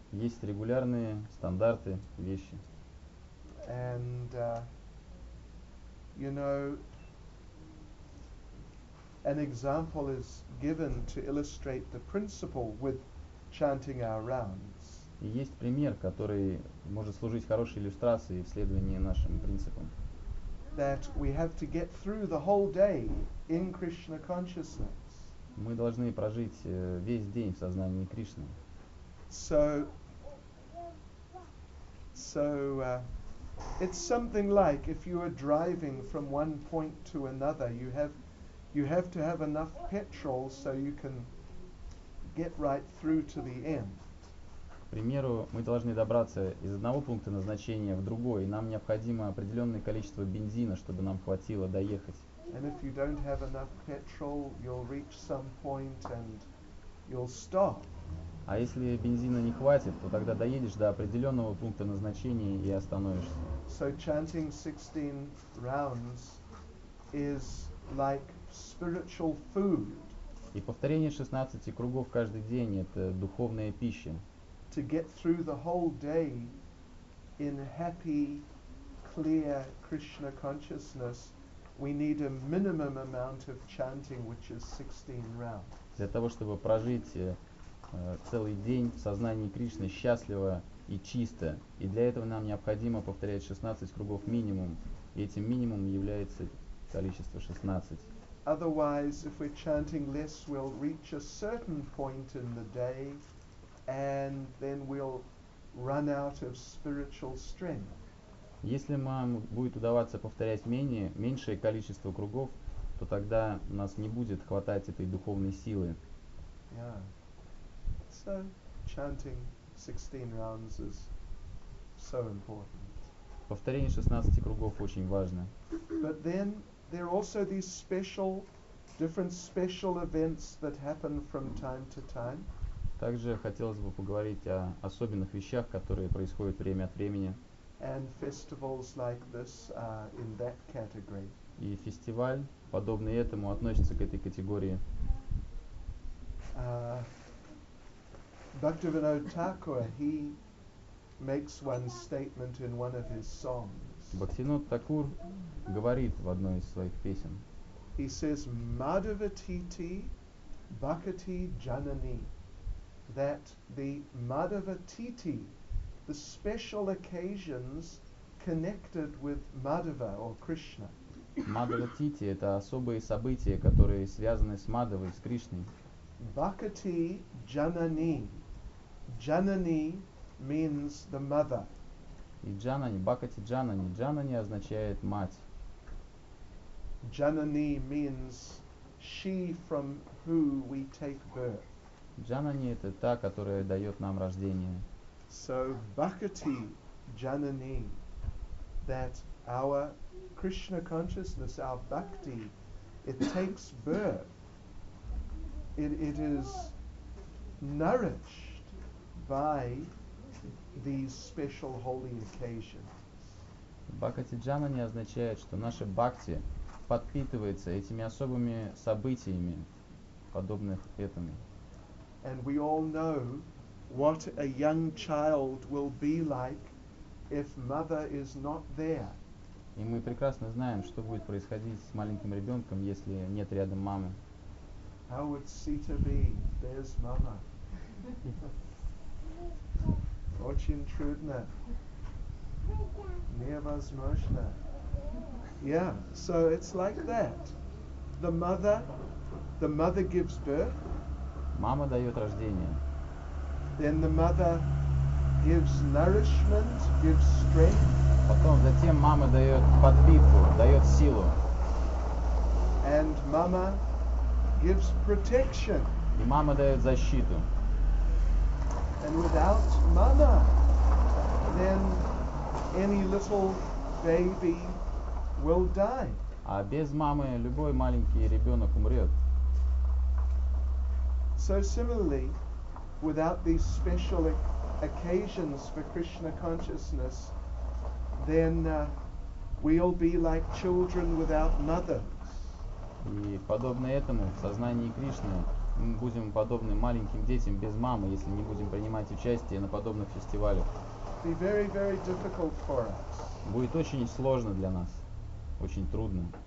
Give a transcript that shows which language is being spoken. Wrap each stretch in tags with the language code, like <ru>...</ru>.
<ru>Есть регулярные стандарты вещи.</ru> <en>And you know, an example is given to illustrate the principle with chanting our rounds.</en> <ru>Есть пример, который может служить хорошей иллюстрацией в следовании нашим принципам.</ru> <en>That we have to get through the whole day in Krishna consciousness.</en> <ru>Мы должны прожить весь день в сознании Кришны.</ru> <en>So, it's something like if you are driving from one point to another, you have to have enough petrol so you can get right through to the end.</en> <ru>К примеру, мы должны добраться из одного пункта назначения в другой, и нам необходимо определенное количество бензина, чтобы нам хватило доехать.</ru> <en>And if you don't have enough petrol, you'll reach some point and you'll stop.</en> <ru>А если бензина не хватит, то тогда доедешь до определенного пункта назначения и остановишься.</ru> <en>So chanting 16 rounds is like spiritual food.</en> <ru>И повторение 16 кругов каждый день — это духовная пища.</ru> <en>To get through the whole day in happy, clear Krishna consciousness, we need a minimum amount of chanting, which is 16 rounds.</en> <ru>Для того, чтобы прожить целый день в сознании Кришны счастливо и чисто, и для этого нам необходимо повторять 16 кругов минимум. И этим минимумом является количество 16.</ru> <en>Otherwise, if we're chanting less, we'll reach a certain point in the day, and then we'll run out of spiritual strength.</en> <ru>Если нам будет удаваться повторять меньшее количество кругов, то тогда у нас не будет хватать этой духовной силы.</ru> <en>Yeah. So chanting 16 rounds is so important.</en> <ru>Повторение 16 кругов очень важно.</ru> <en>But then there are also these special, different special events that happen from time to time.</en> <ru>Также хотелось бы поговорить о особенных вещах, которые происходят время от времени.</ru> <en>And festivals like this are in that category.</en> <ru>И фестиваль, подобный этому, относится к этой категории.</ru> <en>Bhaktivinoda Thakur, he makes one statement in one of his songs.</en> <ru>Бхактивинода Такур говорит в одной из своих песен.</ru> <en>He says, Madhavatiti Bhakati Janani, that the Madhavatiti, the special occasions connected with Madhava or Krishna.</en> <ru>Мадхва-тити — это особые события, которые связаны с Мадхвой, с Кришной.</ru> <en>Бхакти джанани. Джанани means the mother.</en> <ru>И джанани, бхакти джанани. Джанани означает мать.</ru> <en>Джанани means she from who we take birth.</en> <ru>Джанани — это та, которая дает нам рождение.</ru> <en>So бхакти джанани, that our Krishna consciousness, our bhakti, it takes birth. It is nourished by these special holy occasions.</en> <ru>Бхакти джанани означает, что наша бхакти подпитывается этими особыми событиями, подобных этому.</ru> <en>And we all know what a young child will be like if mother is not there.</en> <ru>И мы прекрасно знаем, что будет происходить с маленьким ребенком, если нет рядом мамы.</ru> <en>How would Sita be? There's mama.</en> <ru>Очень трудно. Невозможно.</ru> <en>Yeah, so it's like that. The mother gives birth.</en> <ru>Мама дает рождение.</ru> <en>Then the mother gives nourishment, gives strength.</en> <ru>Потом, затем мама дает подпитку, дает силу.</ru> <en>And mama gives protection.</en> <ru>И мама дает защиту.</ru> <en>And without mama, then any little baby will die.</en> <ru>А без мамы любой маленький ребенок умрет.</ru> <en>So similarly, without these special occasions for Krishna consciousness, then we'll be like children without mothers.</en> <ru>И подобно этому в сознании Кришны мы будем подобны маленьким детям без мамы, если не будем принимать участие на подобных фестивалях.</ru> <en>Be very, very difficult for us.</en> <ru>Будет очень сложно для нас, очень трудно.</ru>